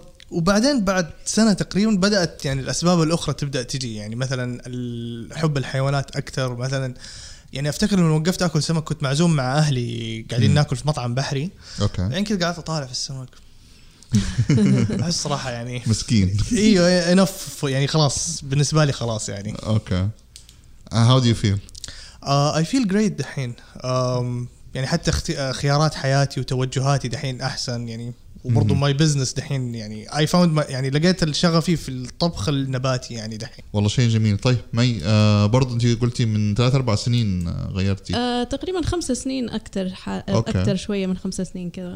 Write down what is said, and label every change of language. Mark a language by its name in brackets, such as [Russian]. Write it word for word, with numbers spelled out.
[Arabic] وبعدين بعد سنه تقريبا بدات يعني الاسباب الاخرى تبدا تجي، يعني مثلا حب الحيوانات اكثر. مثلا يعني افتكر لما وقفت اكل سمك كنت معزوم مع اهلي قاعدين م. ناكل في مطعم بحري اوكي. يعني كنت قاعد اطالع في السمك بس صراحه يعني مسكين ايوه انف يعني خلاص بالنسبه لي خلاص يعني [English] Okay. How do you feel? Uh, I feel great [Arabic] دحين. Um, يعني حتى خيارات حياتي وتوجهاتي دحين أحسن يعني. وبرضو ماي بزنس دحين يعني [English] I found my, [Arabic] يعني لقيت الشغفي في الطبخ النباتي يعني دحين. والله شيء جميل. طيب مي آه برضو أنت قلتي من ثلاث أربع سنين غيرتي آه تقريبا خمس سنين أكتر ح... أكتر شوية من خمس سنين كذا.